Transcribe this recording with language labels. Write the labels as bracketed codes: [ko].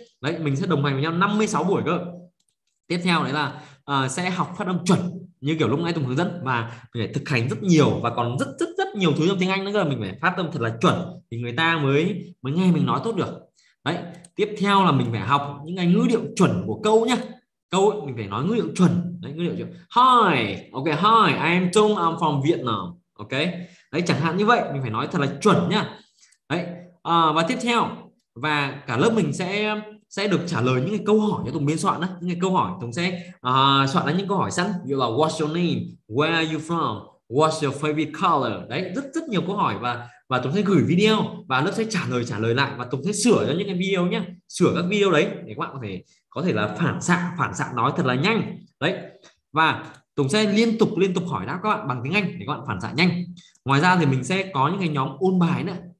[vi] Đấy, mình sẽ đồng hành với nhau 56 buổi cơ. Tiếp theo đấy là sẽ học phát âm chuẩn như kiểu lúc nãy Tùng hướng dẫn, và mình phải thực hành rất nhiều và còn rất nhiều thứ trong tiếng Anh nữa cơ. Mình phải phát âm thật là chuẩn thì người ta mới nghe mình nói tốt được. Đấy, tiếp theo là mình phải học những cái ngữ điệu chuẩn của câu nhá. Câu ấy, mình phải nói ngữ điệu chuẩn. Đấy, ngữ điệu chuẩn. [en] Hi, ok, hi, I am Tung, I'm from Vietnam. [vi] Ok, đấy, chẳng hạn như vậy, mình phải nói thật là chuẩn nhá. Đấy, và tiếp theo, và cả lớp mình sẽ được trả lời những cái câu hỏi cho Tùng biên soạn đó. Những cái câu hỏi, Tùng sẽ soạn ra những câu hỏi sẵn. Ví dụ là [en] what's your name, where are you from, what's your favorite color. [vi] Đấy, rất nhiều câu hỏi và Tùng sẽ gửi video và lớp sẽ trả lời lại, và Tùng sẽ sửa cho những cái video nhé, sửa các video đấy để các bạn có thể là phản xạ nói thật là nhanh. Đấy, và Tùng sẽ liên tục hỏi đáp các bạn bằng tiếng Anh để các bạn phản xạ nhanh. Ngoài ra thì mình sẽ có những cái nhóm ôn bài nữa,